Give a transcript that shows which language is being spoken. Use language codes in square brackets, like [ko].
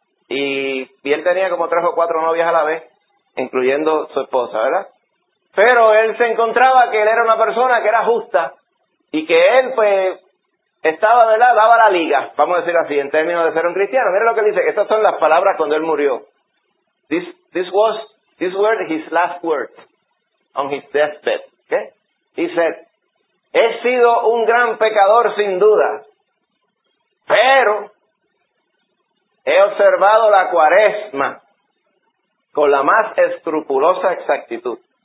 [es] Y él tenía como 3 o 4 novias a la vez, incluyendo su esposa, ¿verdad? Pero él se encontraba que él era una persona que era justa y que él, pues, estaba, ¿verdad? Daba la liga, vamos a decir así, en términos de ser un cristiano. Mira lo que dice, estas son las palabras cuando él murió. [en] This word, his last word, on his deathbed. [es] ¿Qué? [en] He said, [es] he sido un gran pecador sin duda, pero he observado la cuaresma con la más escrupulosa exactitud.